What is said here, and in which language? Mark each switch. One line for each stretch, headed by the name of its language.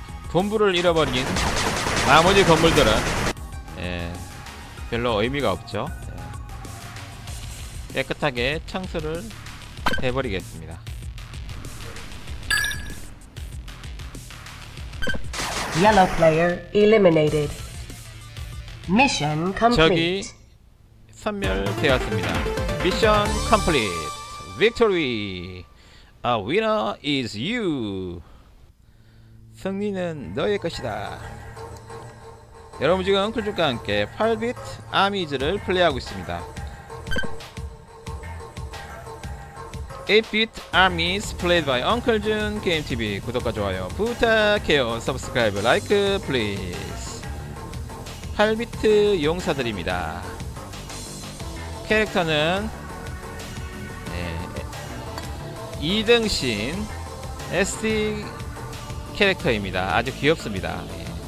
Korean: 본부를 잃어버린 나머지 건물들은 예, 별로 의미가 없죠. 예, 깨끗하게 청소를 해버리겠습니다.
English: Yellow player eliminated. Mission complete.
Korean: 적이 섬멸되었습니다.
English: Mission complete. Victory. A winner is you.
Korean: 승리는 너의 것이다. 여러분 지금 클줌과 함께 8bit 아미즈를 플레이하고 있습니다.
English: 8bit 아미즈 played by Uncle Jun Game TV.
Korean: 구독과 좋아요 부탁해요.
English: Subscribe, like, please. 8bit
Korean: 용사들입니다. 캐릭터는 네. 2등신 SD 캐릭터입니다. 아주 귀엽습니다. 예.